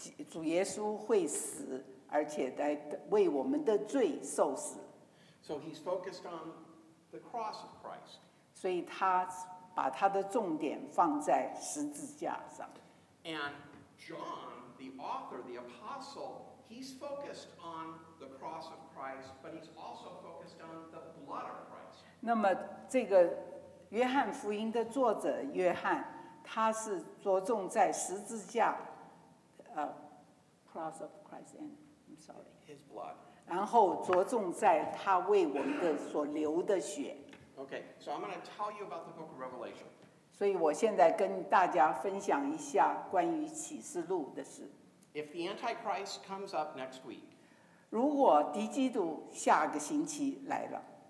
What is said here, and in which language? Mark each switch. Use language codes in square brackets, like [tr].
[zh] 主耶稣会死，而且在为我们的罪受死。 [en] So he's focused on the cross of Christ. [zh] 所以他把他的重点放在十字架上。 [en] And John, the author, the apostle, he's focused on the cross of Christ, but he's also focused on the blood of Christ. [zh] 那么这个约翰福音的作者约翰，他是着重在十字架 [en] cross of Christ, and I'm sorry. His blood. [zh] 然后着重在他为我们的所流的血。 [en] Okay, so I'm going to tell you about the book of Revelation. [zh] 所以我现在跟大家分享一下关于启示录的事。 [en] If the Antichrist comes up next week, [zh] 如果敌基督下个星期来了，